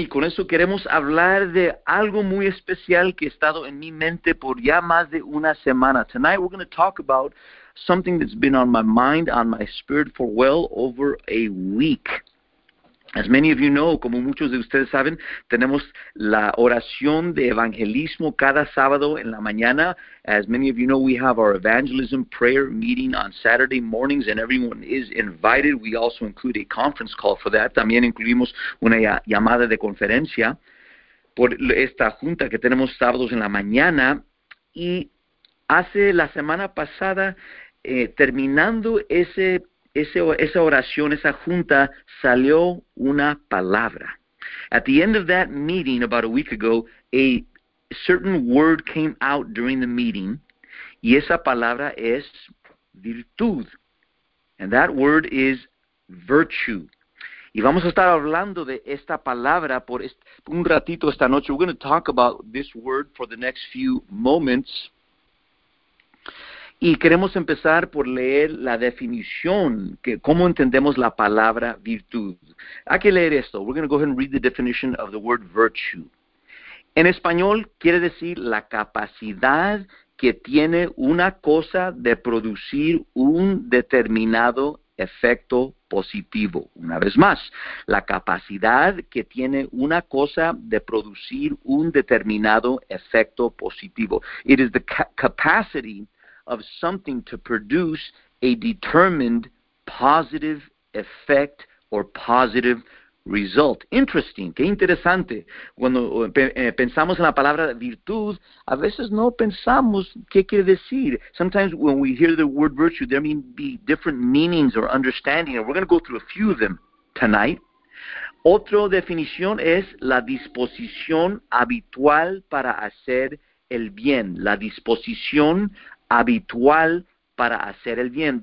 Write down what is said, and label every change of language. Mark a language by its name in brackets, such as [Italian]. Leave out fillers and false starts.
[Spanish] Y con eso queremos hablar de algo muy especial que ha estado en mi mente por ya más de una semana. [English] Tonight we're going to talk about something that's been on my mind, on my spirit for well over a week. As many of you know, [Spanish] como muchos de ustedes saben, tenemos la oración de evangelismo cada sábado en la mañana. [English] As many of you know, we have our evangelism prayer meeting on Saturday mornings, and everyone is invited. We also include a conference call for that. [Spanish] También incluimos una llamada de conferencia por esta junta que tenemos sábados en la mañana. Y hace la semana pasada, terminando esa oración, esa junta, salió una palabra. [English] At the end of that meeting, about a week ago, a certain word came out during the meeting, [Spanish] y esa palabra es virtud. [English] And that word is virtue. [Spanish] Y vamos a estar hablando de esta palabra por un ratito esta noche. [English] We're going to talk about this word for the next few moments. [Spanish] Y queremos empezar por leer la definición, que cómo entendemos la palabra virtud. Hay que leer esto. [English] We're going to go ahead and read the definition of the word virtue. [Spanish] En español quiere decir la capacidad que tiene una cosa de producir un determinado efecto positivo. Una vez más, la capacidad que tiene una cosa de producir un determinado efecto positivo. [English] It is the capacity of something to produce a determined positive effect or positive result. Interesting, [Spanish] qué interesante. Cuando pensamos en la palabra virtud, a veces no pensamos qué quiere decir. [English] Sometimes when we hear the word virtue, there may be different meanings or understanding, and we're going to go through a few of them tonight. [Spanish] Otra definición es la disposición habitual para hacer el bien, la disposición habitual para hacer el bien.